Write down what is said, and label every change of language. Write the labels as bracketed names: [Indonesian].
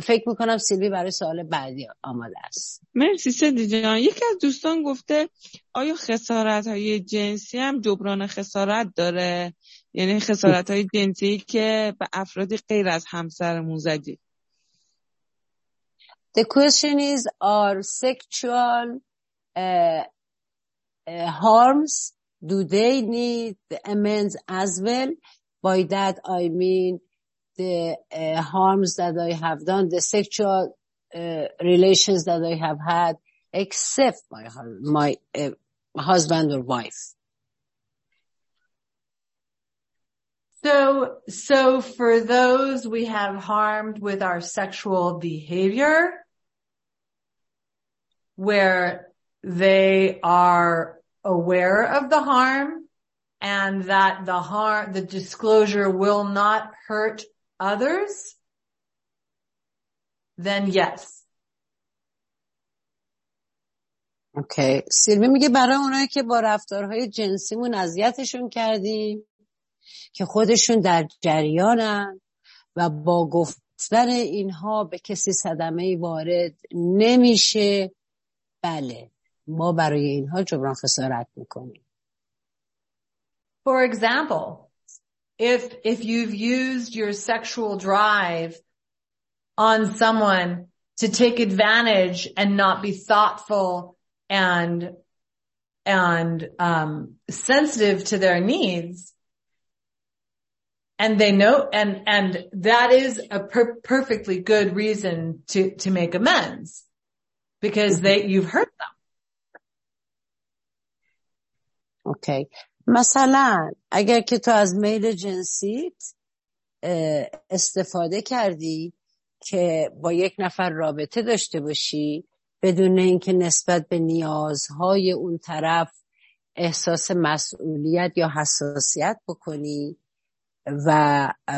[Persian] فکر میکنم سیلوی برای سوال بعدی آماده است. مرسی سیدی جان. یکی از دوستان گفته آیا خسارت های جنسی هم جبران خسارت داره؟ یعنی خسارت های جنسی که به افرادی غیر از همسر موزدی. [English] The question is, are sexual harms, do they need amends as well? By that I mean the harms that I have done, the sexual relations that I have had, except my husband or wife. So for those we have harmed with our sexual behavior, where they are aware of the harm and that the harm, the disclosure will not hurt others, then yes. [Persian] اوکی سیلوی میگه برای اونایی که با رفتارهای جنسیمون اذیتشون کردیم که خودشون در جریانن و با گفتن اینها به کسی صدمه وارد نمیشه بله ما برای اینها جبران خسارت میکنیم. [English] For example, if you've used your sexual drive on someone to take advantage and not be thoughtful and sensitive to their needs, and they know, and that is a perfectly good reason to make amends, because you've hurt them. Okay. [Persian] مثلاً اگر که تو از میل جنسیت استفاده کردی که با یک نفر رابطه داشته باشی بدون اینکه نسبت به نیازهای اون طرف احساس مسئولیت یا حساسیت بکنی و